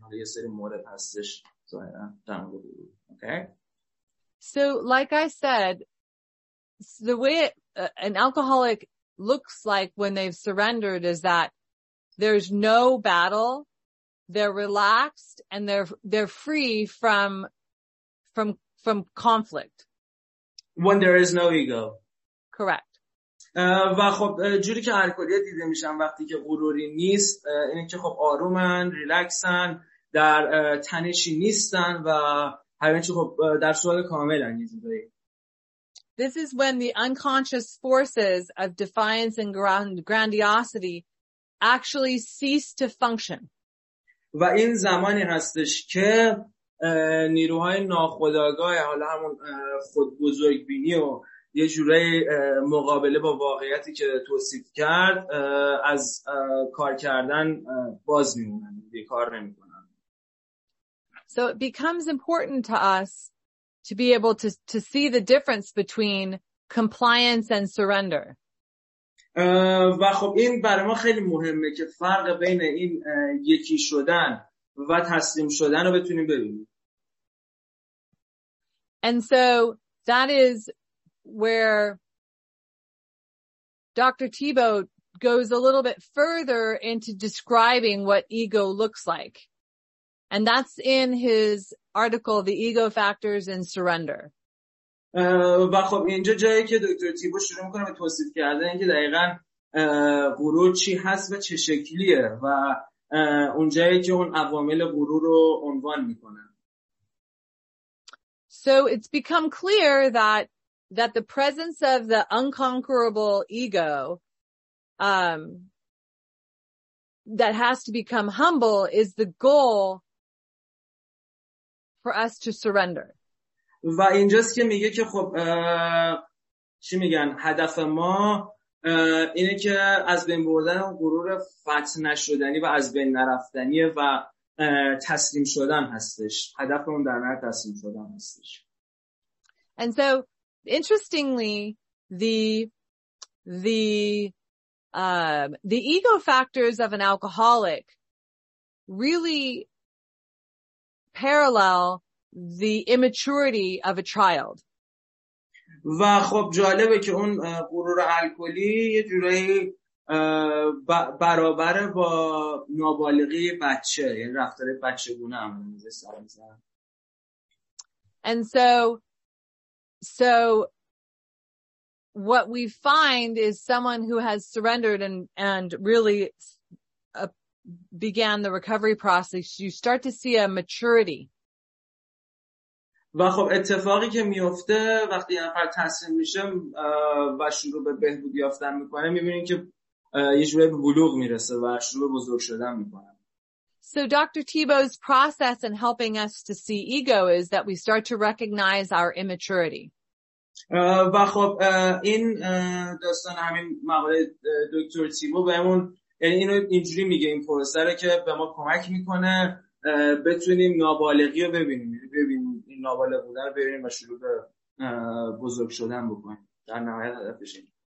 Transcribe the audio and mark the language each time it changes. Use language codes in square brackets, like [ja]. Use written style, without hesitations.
[fa] حالا یه سری مورد هستش ظاهرا تمام غروری. [en] Okay. So like I said, the way an alcoholic looks like when they've surrendered is that there's no battle, they're relaxed, and they're free from conflict. When there is no ego. Correct. [fa] و خب جوری که الکلی‌ها دیده میشن وقتی که غروری نیست اینه که خب آرومن، ریلکسن، در تنشی نیستن و همین چه خب در صورت کامل انگیزه دارن. [en] This is when the unconscious forces of defiance and grandiosity actually cease to function. [fa] و این زمانی هستش که نیروهای ناخودآگاه حالا همون خودبزرگبینی و یه جوری مقابله با واقعیتی که توصیف کرد از کار کردن باز میمونن، دیگه کار نمیکنن. [en] So it becomes important to us to be able to see the difference between compliance and surrender. [fa] و خب این برای ما خیلی مهمه که فرق بین این یکی شدن و تسلیم شدن رو بتونیم ببینیم. [en] And so that is where Dr. Thibault goes a little bit further into describing what ego looks like. And that's in his article, The Ego Factors in Surrender. [fa] و خب اینجا جایی که دکتر تیبو شروع میکنه به توصیف کردن که دقیقا غرور چی هست و چه شکلیه و اونجایی که اون عوامل غرور رو عنوان میکنه. [en] So it's become clear that the presence of the unconquerable ego that has to become humble is the goal for us to surrender. [fa] و اینجاست که میگه که خب چی میگن هدف ما اینه که از بین بردن غرور فتح نشدنی و از بین نرفتنی و تسلیم شدن هستش. هدفمون در نهایت تسلیم شدن هستش. [en] And so interestingly the ego factors of an alcoholic really parallel the immaturity of a child. [fa] و خب جالبه که اون غرور الکلی یه جوری برابر با نابالغی بچه، یعنی رفتار بچگونه هم میشه سر میزنه. [en] And so what we find is someone who has surrendered and really began the recovery process, you start to see a maturity. [fa] و خب اتفاقی که میفته وقتی یه نفر تسلیم میشه و شروع به بهبود یافتن میکنه میبینیم که یه جوری به بلوغ میرسه و شروع به بزرگ شدن میکنه. [en] So Dr. Thibault's process in helping us to see ego is that we start to recognize our immaturity. [fa] و خب این داستان همین مقاله دکتر تیبو بهمون اینو اینجوری میگه، این پروسه رو که به ما کمک میکنه بتونیم نابالغی رو ببینیم نابالغ بودن رو ببینیم و شروع به بزرگ شدن بکنیم در نهایت هدفش اینه.